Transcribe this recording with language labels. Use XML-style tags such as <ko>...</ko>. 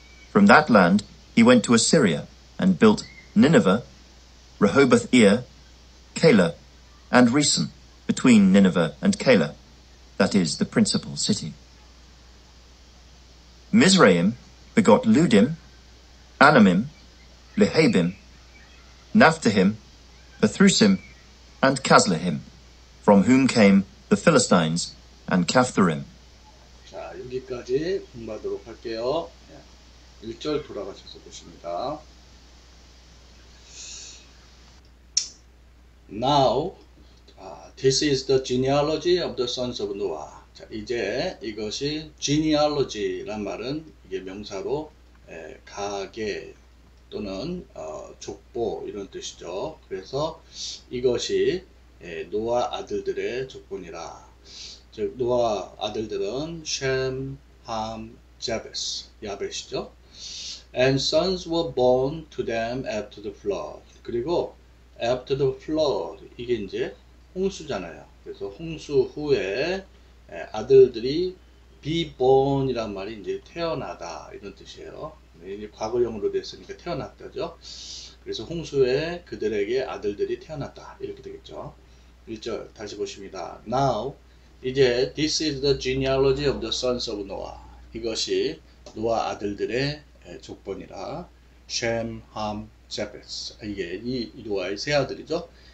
<en>From that land he went to Assyria and built Nineveh, Rehoboth-ir, Calah, and Resen, between Nineveh and Calah, that is the principal city. Mizraim begot Ludim, Anamim, Lehabim, Naphtahim, Pethrusim, and Kazlehim, from whom came the Philistines and Kaphtorim.</en> <ko>자, 여기까지 공부하도록 할게요. 1절 돌아가셔서 보십니다.</ko> <en>Now, this is the genealogy of the sons of Noah.</en> <ko>자, 이제 이것이 genealogy란 말은 이게 명사로 가계 또는 족보 이런 뜻이죠. 그래서 이것이 노아 아들들의 족보니라. 즉 노아 아들들은 셈, 함, 야벳, 야벳이죠.</ko> <en>And sons were born to them after the flood.</en> <ko>그리고</ko> <en>after the flood</en> <ko>이게 이제 홍수잖아요. 그래서 홍수 후에 아들들이</ko> <en>be born</en> <ko>이란 말이 이제 태어나다 이런 뜻이에요. 이제 과거형으로 됐으니까 태어났다죠. 그래서 홍수에 그들에게 아들들이 태어났다 이렇게 되겠죠. 1절 다시 보십니다.</ko> <en>Now,</en> <ko>이제</ko> <en>this is the genealogy of the sons of Noah.</en> <ko>이것이 노아 아들들의 족보니라.</ko> <en>Shem, Ham, Japheth.</en> <ko>이게 이 노아의 세 아들이죠.</ko>